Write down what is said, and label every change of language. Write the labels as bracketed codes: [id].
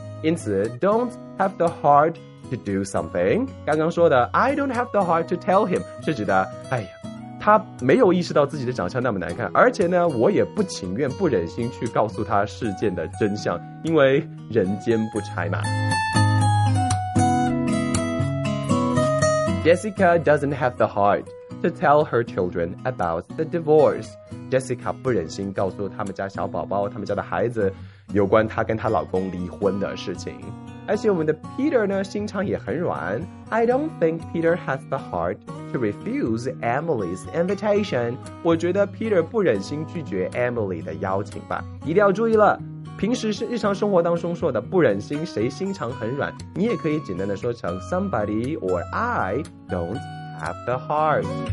[zh] 因此 don't have the heart to do something，刚刚说的 I don't have the heart to tell him 是指的哎呀他没有意识到自己的长相那么难看，而且呢我也不情愿不忍心去告诉他事件的真相，因为人间不拆嘛。 [en] Jessica doesn't have the heart to tell her children about the divorce. [zh] Jessica 不忍心告诉他们家小宝宝，他们家的孩子有关他跟他老公离婚的事情。而且我们的 Peter 呢心肠也很软， I don't think Peter has the heart to refuse Emily's invitation. 我觉得 Peter 不忍心拒绝 Emily 的邀请吧。一定要注意了，平时是日常生活当中说的不忍心，谁心肠很软，你也可以简单的说成 somebody or I don't have the heart。